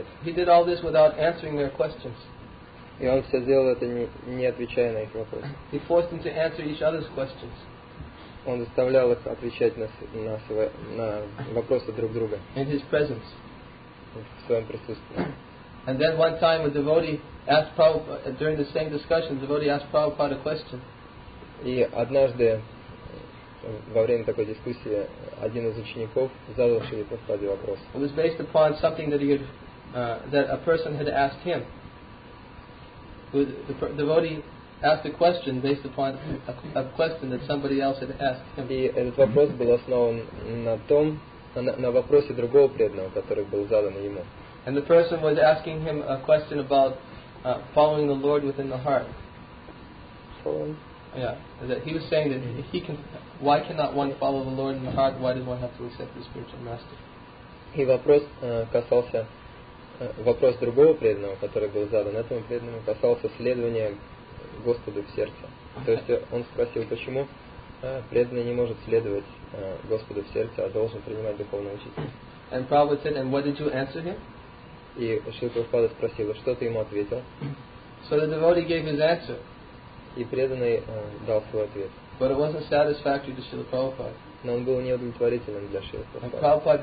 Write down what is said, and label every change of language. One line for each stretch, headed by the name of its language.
English: He did all this without answering their questions.
Russian: И он все сделал это, не отвечая на их вопросы.
English: He forced them to answer each other's questions.
Russian: Он заставлял их отвечать на вопросы друг друга.
English: In his presence.
Russian: В своем присутствии.
English: And then one time a devotee asked Prabhupada, during the same discussion, the devotee asked Prabhupada a question.
Russian: И однажды, во время такой дискуссии, один из учеников задал Шриле Прабхупаде вопрос.
English: It was based upon something that a person had asked him. The devotee asked a question based upon a question that somebody else had asked him.
Russian: И этот вопрос был основан на вопросе другого преданного, который был задан ему.
English: And the person was asking him a question about following the Lord within the heart. Following? Yeah. That he was saying that why cannot one follow the Lord in the heart? Why does one have to accept the spiritual master?
Russian: И вопрос касался. Вопрос другого преданного, который был задан этому преданному, касался следования Господу в сердце. То есть он спросил, почему преданный не может следовать Господу в сердце, а должен принимать духовного учителя.
English: And Prabhupada said, and what did you answer him?
Russian: И Шрила Прабхупада спросил, что ты ему ответил?
English: So the devotee gave his answer.
Russian: И преданный дал свой ответ.
English: But it wasn't satisfactory to Srila Prabhupada.
Russian: Но он был неудовлетворительным для Шрила Прабхупада.